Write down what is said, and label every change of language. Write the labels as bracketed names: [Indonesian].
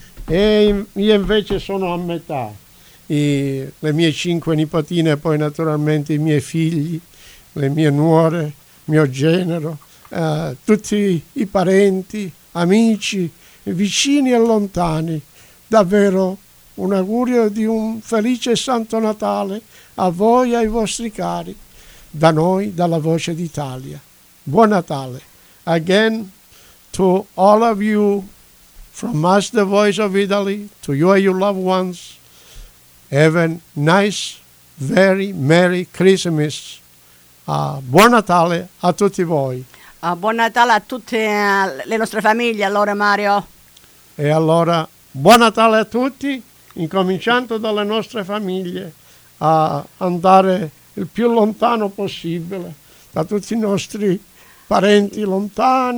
[Italian] E io invece sono a metà, le mie 5 nipotine, poi naturalmente i miei figli, le mie nuore, mio genero, tutti i parenti, amici, vicini e lontani, davvero un augurio di un felice Santo Natale a voi e ai vostri cari, da noi, dalla Voce d'Italia. Buon Natale. [English] Again, to all of you, from us, the Voice of Italy, to you and your loved ones, have a nice, very Merry Christmas. [Italian] Buon Natale a tutti voi. Buon Natale a tutte le nostre famiglie, allora, Mario. E allora, buon Natale a tutti, incominciando dalle nostre famiglie, a andare il più lontano possibile da tutti i nostri parenti lontani,